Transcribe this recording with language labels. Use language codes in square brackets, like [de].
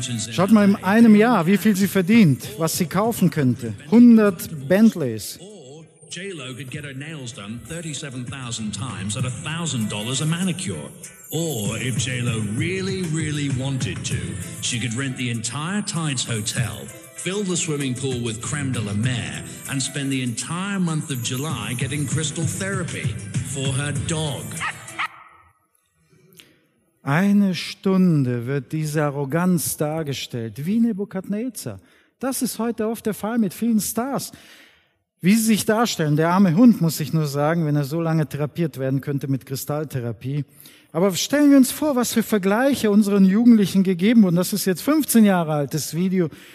[de] Schaut mal in einem Jahr, wie viel sie verdient, was sie kaufen könnte. 100 Bentleys. [en] J-Lo could get her nails done 37,000 times at $1,000 a manicure. Or if J-Lo really, really wanted to, she could rent the entire Tides Hotel, fill the swimming pool with creme de la mer, and spend the entire month of July getting crystal therapy for her dog. [de] Eine Stunde wird diese Arroganz dargestellt, wie Nebukadnezar. Das ist heute oft der Fall mit vielen Stars. Wie sie sich darstellen, der arme Hund, muss ich nur sagen, wenn er so lange therapiert werden könnte mit Kristalltherapie. Aber stellen wir uns vor, was für Vergleiche unseren Jugendlichen gegeben wurden. Das ist jetzt 15 Jahre altes Video.